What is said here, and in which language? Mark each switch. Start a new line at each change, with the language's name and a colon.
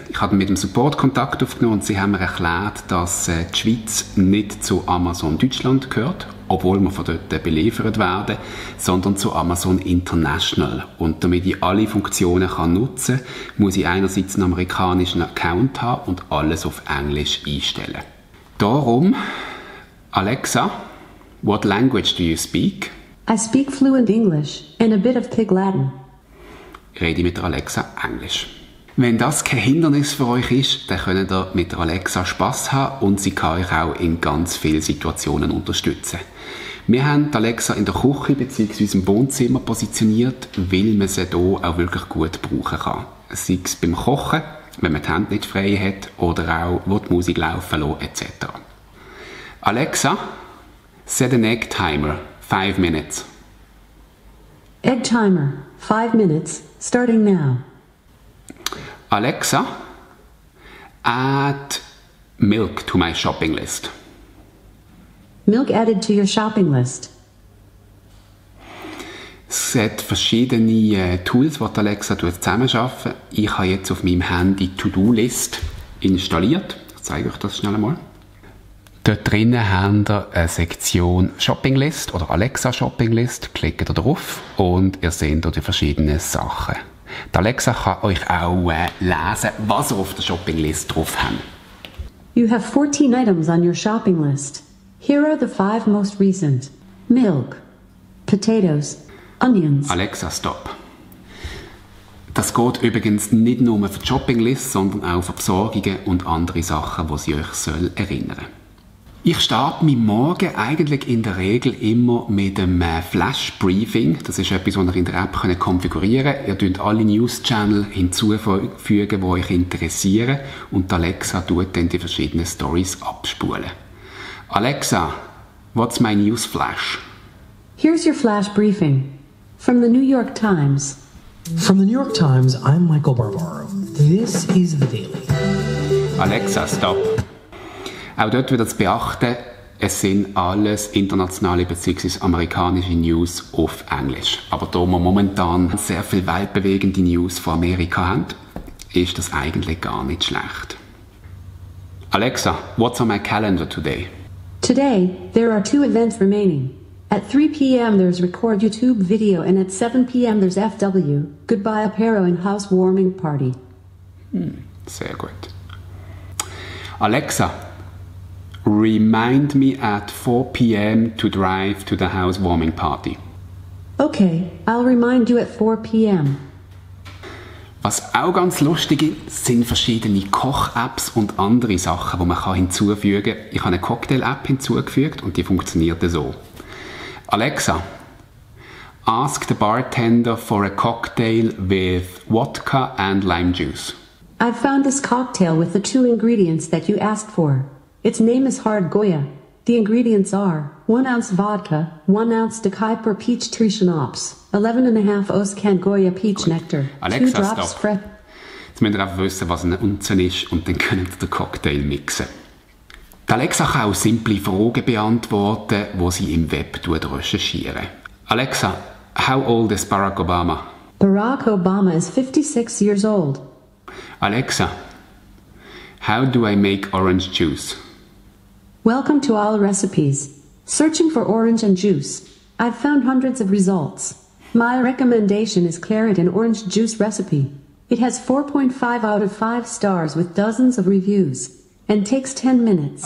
German: Ich habe mit dem Support Kontakt aufgenommen und sie haben mir erklärt, dass die Schweiz nicht zu Amazon Deutschland gehört, obwohl wir von dort beliefert werden, sondern zu Amazon International. Und damit ich alle Funktionen kann nutzen kann, muss ich einerseits einen amerikanischen Account haben und alles auf Englisch einstellen. Darum,
English: Alexa, what language do you speak? I speak fluent English and a bit of Pig Latin.
German: Rede mit Alexa Englisch. Wenn das kein Hindernis für euch ist, dann könnt ihr mit Alexa Spass haben und sie kann euch auch in ganz vielen Situationen unterstützen. Wir haben Alexa in der Küche bzw. im Wohnzimmer positioniert, weil man sie hier auch wirklich gut brauchen kann. Sei es beim Kochen, wenn man die Hände nicht frei hat oder auch, wo die Musik laufen lässt, etc.
English: Alexa, set an egg timer, 5 minutes. Egg timer, 5 minutes, starting now. Alexa, add milk to my shopping list. Milk added to your shopping list.
German: Es hat verschiedene Tools, die Alexa zusammenarbeiten. Ich habe jetzt auf meinem Handy die To-Do-List installiert. Ich zeige euch das schnell einmal. Dort drinnen habt ihr eine Sektion Shopping-List oder Alexa Shopping-List. Klickt ihr drauf und ihr seht dort die verschiedenen Sachen. Die Alexa kann euch auch lesen, was ihr auf der Shopping-List drauf habt.
English: You have 14 items on your Shopping-List. Here are the 5 most recent. Milk. Potatoes. Onions.
German: Alexa, stopp. Das geht übrigens nicht nur für die Shoppinglist, sondern auch für Besorgungen und andere Sachen, die sie euch erinnern soll. Ich starte meinen Morgen eigentlich in der Regel immer mit einem Flash Briefing. Das ist etwas, was ihr in der App konfigurieren könnt. Ihr könnt alle News-Channel hinzufügen, die euch interessieren. Und Alexa tut dann die verschiedenen Stories abspulen. Alexa,
English: What's my news flash? Here's your flash briefing from the New York Times. From the New York Times, I'm Michael Barbaro. This is The Daily. Alexa, stop.
German: Auch dort wird es beachten, es sind alles internationale bzw. amerikanische News auf Englisch. Aber da wir momentan sehr viel weltbewegende News von Amerika haben, ist das eigentlich gar nicht schlecht.
English: Alexa, what's on my calendar today? Today, there are two events remaining. At 3 p.m. there's Record YouTube Video and at 7 p.m. there's FW, Goodbye Apero and Housewarming Party.
German: Sehr gut.
English: Alexa, remind me at 4 p.m. to drive to the housewarming party. Okay, I'll remind you at 4 p.m.
German: Was auch ganz lustig ist, sind verschiedene Koch-Apps und andere Sachen, die man hinzufügen kann. Ich habe eine Cocktail-App hinzugefügt und die funktioniert so.
English: Alexa, ask the bartender for a cocktail with vodka and lime juice. I've found this cocktail with the two ingredients that you asked for. Its name is Hard Goya. The ingredients are 1 ounce vodka, 1 ounce de Kuiper peach tree schnapps, 11.5 oz Can Goya peach nectar, Alexa, 2 drops stop.
German: Jetzt müsst ihr einfach wissen, was eine Unze ist und dann könnt ihr den Cocktail mixen. Die Alexa kann auch simple Fragen beantworten, die sie im Web recherchieren.
English: Alexa, how old is Barack Obama? Barack Obama is 56 years old. Alexa, how do I make orange juice? Welcome to All Recipes. Searching for orange and juice. I've found hundreds of results. My recommendation is claret and orange juice recipe. It has 4.5 out of 5 stars with dozens of reviews and takes 10 minutes.